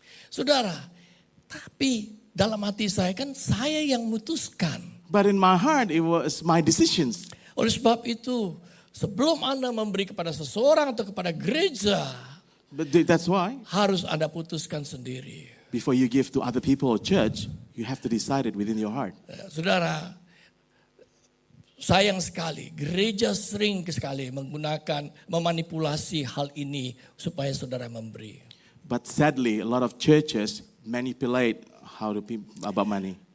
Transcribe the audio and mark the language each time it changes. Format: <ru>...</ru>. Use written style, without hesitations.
<id>Saudara, tapi dalam hati saya kan saya yang memutuskan.</id> <en>But in my heart it was my decisions.</en> <id>Oleh sebab itu, sebelum Anda memberi kepada seseorang atau kepada gereja,</id> <en>but that's why</en> <id>harus Anda putuskan sendiri.</id> <en>Before you give to other people or church, you have to decide it within your heart.</en> <id>Saudara, sayang sekali gereja sering sekali menggunakan memanipulasi hal ini supaya saudara memberi.</id> <en>But sadly, a lot of churches manipulate how to about money.</en>